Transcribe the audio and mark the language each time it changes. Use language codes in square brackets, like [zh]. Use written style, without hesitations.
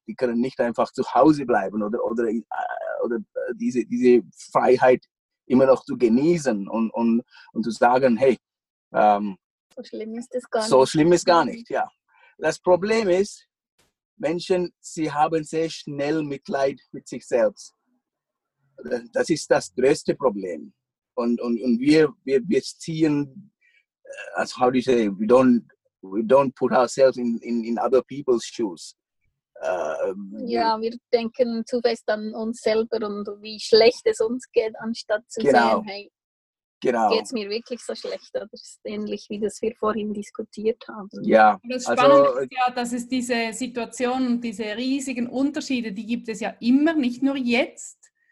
[de] Die können nicht einfach zu Hause bleiben oder diese Freiheit immer noch zu genießen und zu sagen, hey, so schlimm ist es gar nicht. Ja. Das Problem ist, Menschen, sie haben sehr schnell Mitleid mit sich selbst. Das ist das größte Problem. Und wir ziehen, also [en] how do you say, we don't put ourselves in other people's shoes. [de] Ja, wir denken zu fest an uns selber und wie schlecht es uns geht, anstatt zu sehen, hey, genau. Geht es mir wirklich so schlecht? Oder ist ähnlich, wie das wir vorhin diskutiert haben? Ja, das Spannende ist ja, dass es diese Situation und diese riesigen Unterschiede, die gibt es ja immer, nicht nur jetzt.